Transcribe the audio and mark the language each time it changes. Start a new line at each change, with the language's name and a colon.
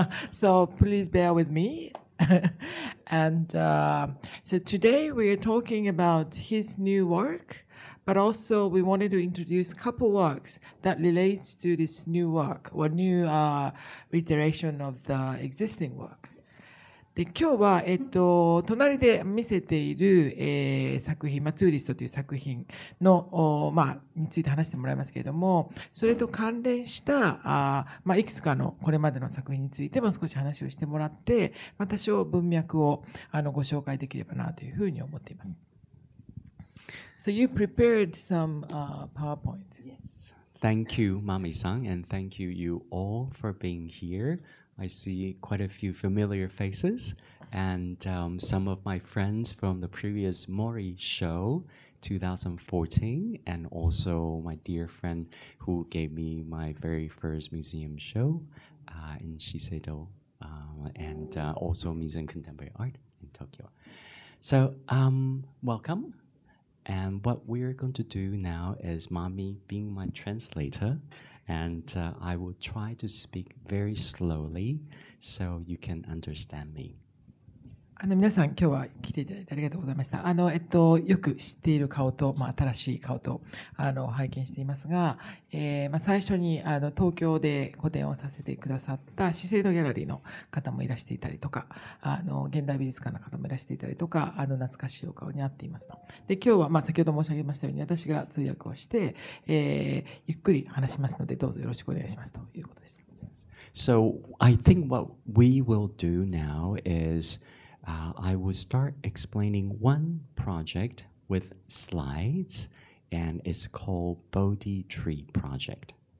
English: So please bear with me. And so today we are talking about his new work, but also we wanted to introduce a couple works that relate to this new work or new reiteration of the existing work.
Japanese: で今日は、隣で見せている、作品、まあ、ツーリストという作品の、まあ、について話してもらいますけれども、それと関連したまあ、いくつかのこれまでの作品についても少し話をしてもらって、まあ、多少文脈をご紹介できればなというふうに思っています。
English: So you prepared some PowerPoint. Yes. Thank you, Mami-san, and thank you, you all, for being here. I see quite a few familiar faces and some of my friends from the previous Mori show 2014, and also my dear friend who gave me my very first museum show in Shiseido, and also Museum of Contemporary Art in Tokyo. So welcome. And what we're going to do now is Mami being my translator, and I will try to speak very slowly so you can understand me.
Japanese: 皆さん今日は来ていただいてありがとうございました。よく知っている顔と、まあ、新しい顔と拝見していますが、まあ、最初に東京で個展をさせてくださった資生堂ギャラリーの方もいらしていたりとか、現代美術館の方もいらしていたりとか、懐かしいお顔に合っていますと。で今日は、まあ、先ほど申し上げましたように私が通訳をして、ゆっくり話しますのでどうぞよろしくお願いしますということでした。
English: So I think what we will do now isI will start explaining one project with slides, and it's called Bodhi Tree Project.